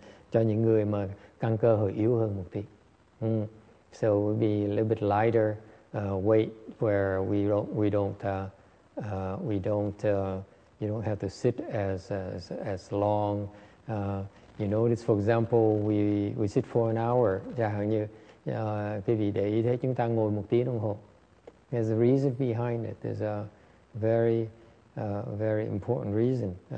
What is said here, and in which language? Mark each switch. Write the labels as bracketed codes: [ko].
[vi] Cho những người mà căn cơ hơi yếu hơn một tí. [en] So it would be a little bit lighter weight where you don't have to sit as long. You notice, for example, we sit for an hour. [vi] Chẳng hạn như quý vị để ý thấy chúng ta ngồi một tiếng đồng hồ. [en] There's a reason behind it. There's a very very important reason.